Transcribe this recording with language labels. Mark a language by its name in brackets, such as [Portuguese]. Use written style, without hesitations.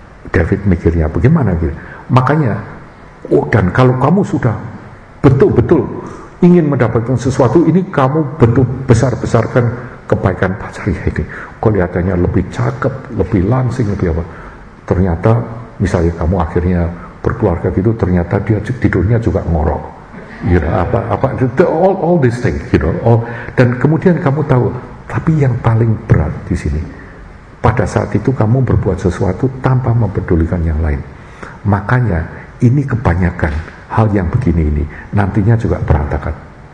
[Indonesian] David mikirnya bagaimana gitu. Makanya, oh, dan kalau kamu sudah betul-betul ingin mendapatkan sesuatu ini, kamu besar-besarkan kebaikan pacarnya ini. Kelihatannya lebih cakep, lebih langsing, lebih apa. Ternyata misalnya kamu akhirnya berkeluarga gitu, ternyata dia tidurnya juga ngorok. [English] You know, [Indonesian] apa [English] all these things, you know. All. [Indonesian] Dan kemudian kamu tahu, tapi yang paling berat di sini, pada saat itu kamu berbuat sesuatu tanpa mempedulikan yang lain. Makanya ini kebanyakan hal yang begini ini nantinya juga berantakan.